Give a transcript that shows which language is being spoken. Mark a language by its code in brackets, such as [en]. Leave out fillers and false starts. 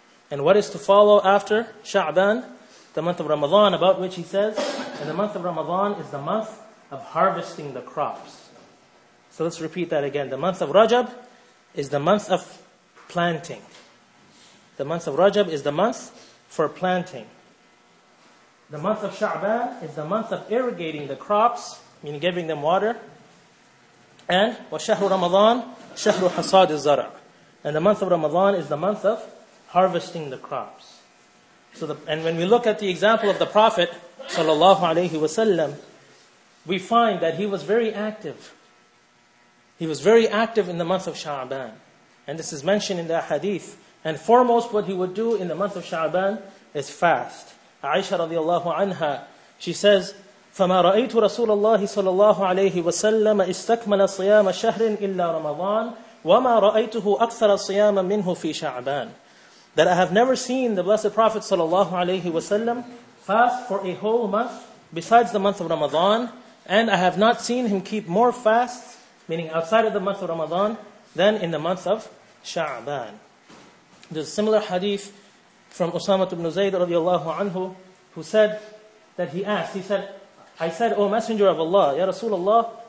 [en] And what is to follow after Sha'ban? The month of Ramadan, about which he says, and the month of Ramadan is the month of harvesting the crops. So let's repeat that again. The month of Rajab is the month of planting. The month of Rajab is the month for planting. The month of Sha'ban is the month of irrigating the crops, meaning giving them water. And [ar] وَشَهْرُ رَمَضَانِ شَهْرُ حَصَادِ الزَّرَعِ. [en] And the month of Ramadan is the month of harvesting the crops. So, and when we look at the example of the Prophet sallallahu alaihi wasallam, we find that he was very active. He was very active in the month of Sha'ban. And this is mentioned in the hadith. And foremost, what he would do in the month of Sha'ban is fast. Aisha radiallahu anha, she says, [ar] فَمَا رَأَيْتُ رَسُولَ اللَّهِ صَلَى اللَّهُ عَلَيْهِ وَسَلَّمَ إِسْتَكْمَلَ صِيَامَ شَهْرٍ إِلَّا رَمَضَانَ وَمَا رَأَيْتُهُ أَكْثَرَ صِيَامًا مِّنْهُ فِي شَعْبَانَ. [en] That I have never seen the Blessed Prophet sallallahu alayhi wasallam fast for a whole month besides the month of Ramadan, and I have not seen him keep more fasts, meaning outside of the month of Ramadan, than in the month of Sha'ban. There's a similar hadith from Usamah ibn Zayd radiallahu anhu, who said that he asked, he said, I said, O Messenger of Allah, Ya Rasulullah